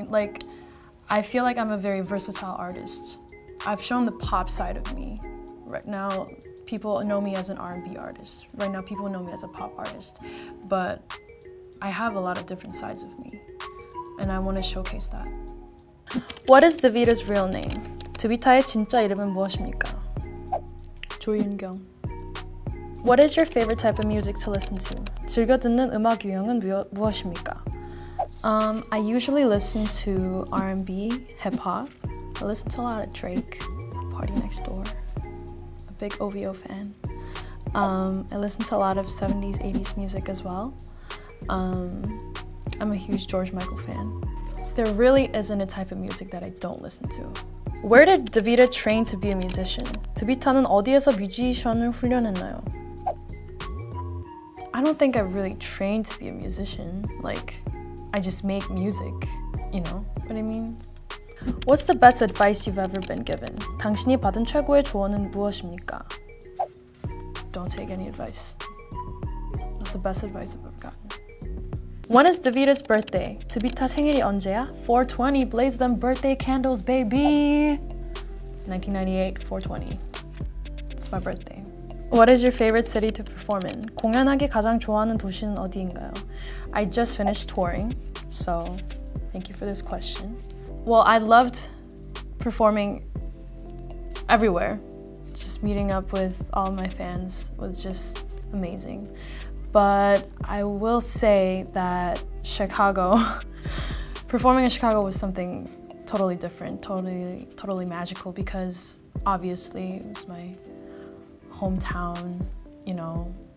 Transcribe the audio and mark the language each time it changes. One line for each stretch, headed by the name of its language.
English: Like, I feel like I'm a very versatile artist. I've shown the pop side of me. Right now, people know me as an R&B artist. Right now, people know me as a pop artist, but I have a lot of different sides of me, and I want to showcase that. What is DeVita's real name?
Korean: 드비타의 진짜 이름은 무엇입니까? 조윤경.
English: What is your favorite type of music to listen to?
Korean: 즐겨 듣는 음악 유형은 무엇입니까?
English: I usually listen to R&B, hip-hop. I listen to a lot of Drake, Party Next Door. A big OVO fan. I listen to a lot of 70s, 80s music as well. I'm a huge George Michael fan. There really isn't a type of music that I don't listen to. Where did DeVita train to be a musician?
Korean: 드비타는 어디에서 뮤지션을 훈련했나요?
English: I don't think I really trained to be a musician. Like, I just make music, you know what I mean? What's the best advice you've ever been given?
Korean: 당신이 받은 최고의 조언은 무엇입니까?
English: Don't take any advice. That's the best advice I've ever gotten. When is DeVita's birthday? 드비타 생일이 언제야? 420, blaze them birthday candles, baby! 1998, 420. It's my birthday. What is your favorite city to perform in?
Korean: 공연하기 가장 좋아하는 도시는 어디인가요?
English: I just finished touring, so thank you for this question. Well, I loved performing everywhere. Just meeting up with all my fans was just amazing. But I will say that Chicago, performing in Chicago was something totally different, totally magical because obviously it was my hometown, you know.